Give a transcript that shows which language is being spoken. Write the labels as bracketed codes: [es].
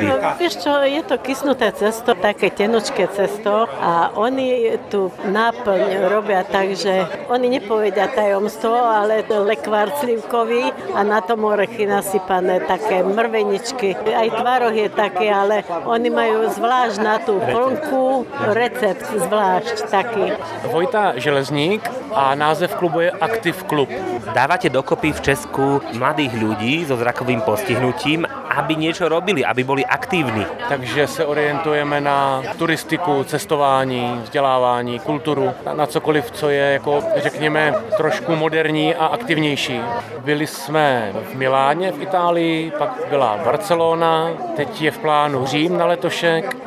[sk] No, vieš čo, je to kysnuté cesto, také tenučké cesto a oni tu náplň robia tak, že oni nepovedia tajomstvo, ale lekvár slivkový a na tom orechy nasypané také mrveničky. Aj tvaroh je taký, ale oni majú zvlášť na tú plnku recept zvlášť taký. Vojta Železník a název klubu je Aktiv klub. Dávate dokopy v Česku mladých ľudí so zrakovým postihnutím, aby niečo robili, aby boli aktívni. [cs] Takže se orientujeme na turistiku, cestování, vzdělávání, kulturu, na cokoliv, co je, jako řekněme, trošku moderní a aktivnější. Byli jsme v Miláně v Itálii, pak byla Barcelona, teď je v plánu Řím na letošek.